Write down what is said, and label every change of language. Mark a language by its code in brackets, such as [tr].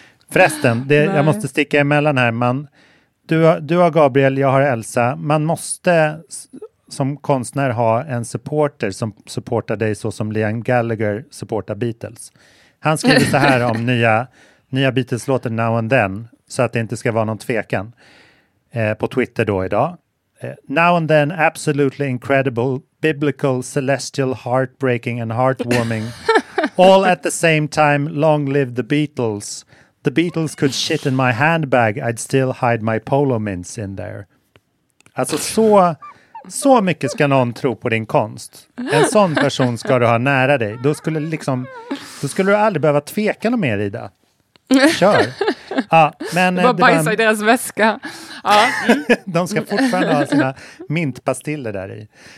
[sv] Förresten, jag måste sticka emellan här. Du har Gabriel, jag har Elsa. Man måste som konstnär ha en supporter som supportar dig så som Liam Gallagher supportar Beatles. Han skriver så här om nya Beatles-låten Now and Then. Så att det inte ska vara någon tvekan. På Twitter då idag. [en] Now and then, absolutely incredible, biblical, celestial, heartbreaking and heartwarming. All at the same time, long live the Beatles. The Beatles could shit in my handbag, I'd still hide my polo mints in there. [sv] Alltså så mycket ska någon tro på din konst. En sån person ska du ha nära dig. Då skulle du aldrig behöva tveka något mer, Ida. Kör. Bajsa i deras väska. Ja. Mm. De ska fortfarande ha sina mintpastiller där i.